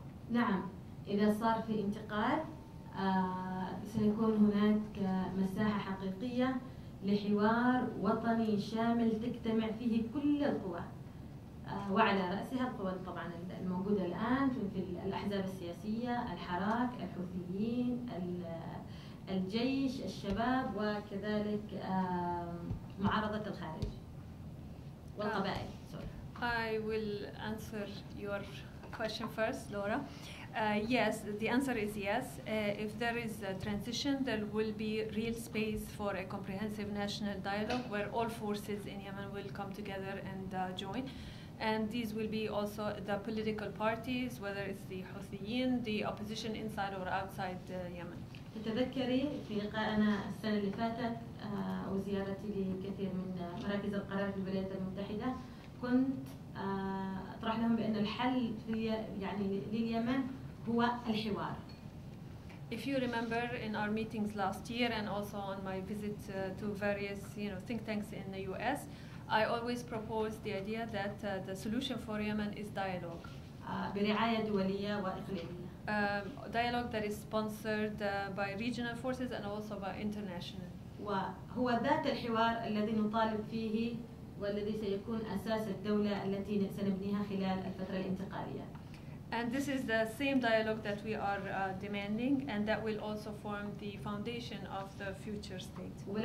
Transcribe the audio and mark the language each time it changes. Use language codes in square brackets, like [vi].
[ar] نعم، إذا صار في انتقال سيكون هناك مساحة حقيقية لحوار وطني شامل تجتمع فيه كل القوى وعلى رأسها القوى طبعا الموجودة الآن في الأحزاب السياسية، الحراك، الحوثيين، الجيش، الشباب، وكذلك معارضة الخارج والقبائل. [en] I will answer your question first, Laura. Yes, the answer is yes. If there is a transition, there will be real space for a comprehensive national dialogue where all forces in Yemen will come together and join. And these will be also the political parties, whether it's the Houthiyin, the opposition inside or outside Yemen. [ar] تتذكري في لقائنا السنة اللي فاتت وزيارتي لكثير من مراكز القرار في الولايات المتحدة كنت أطرح لهم بأن الحل يعني لليمن هو الحوار. [en] If you remember in our meetings last year and also on my visit to various think tanks in the US, I always proposed the idea that the solution for Yemen is dialogue. [ar] برعاية دولية وإقليمية. [en] Dialogue that is sponsored by regional forces and also by international. [ar] وهو ذات الحوار الذي نطالب فيه والذي سيكون أساس الدولة التي سنبنيها خلال الفترة الانتقالية. [en] And this is the same dialogue that we are demanding, and that will also form the foundation of the future state.